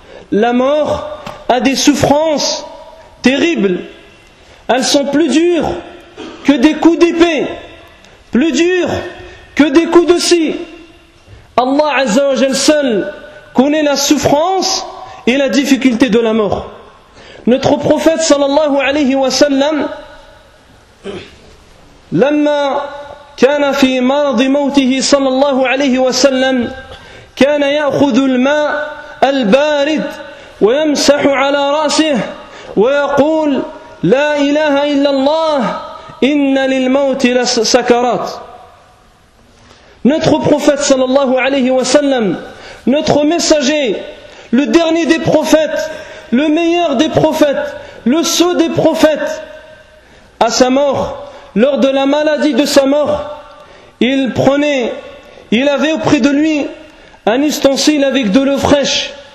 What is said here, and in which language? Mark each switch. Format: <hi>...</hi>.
<fr>La mort a des souffrances terribles. Elles sont plus dures que des coups d'épée, plus dures que des coups de scie. Allah Azza wa Jal seul connaît la souffrance et la difficulté de la mort. Notre prophète</fr> <ar>sallallahu alayhi wa sallam, لما كان في مرض موته صلى الله عليه وسلم كان يأخذ الماء البارد ويمسح على رأسه ويقول لا إله إلا الله إن للموت لسكرات.</ar> <fr>Notre prophète صلى الله عليه وسلم, notre messager, le dernier des prophètes, le meilleur des prophètes, le sceau des prophètes, à sa mort, lors de la maladie de sa mort, il avait auprès de lui un ustensile avec de l'eau fraîche.</fr>